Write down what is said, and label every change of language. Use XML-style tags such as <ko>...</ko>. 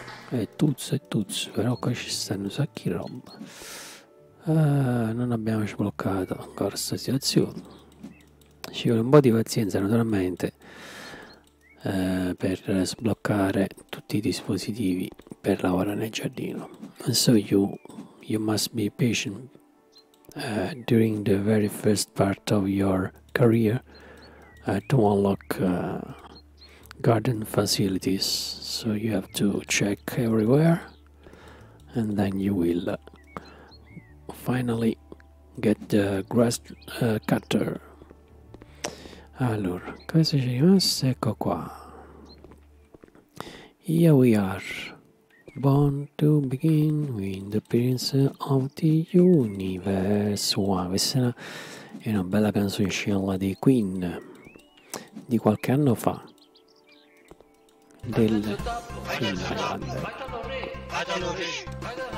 <it>E tuzza, però qua ci stanno un sacco di roba. Non abbiamo sbloccato ancora questa situazione. Ci vuole un po' di pazienza, naturalmente, per sbloccare tutti i dispositivi per lavorare nel giardino.</it> <en>And so you must be patient during the very first part of your career to unlock garden facilities. So you have to check everywhere and then you will finally get the grass cutter.</en> <it>Allora, cosa ci rimasto? Ecco qua.</it> <en>Here we are, born to begin with the prince of the universe. Wow,</en> <it>questa È una bella canzoncella dei Queen di qualche anno fa, del '90.</it>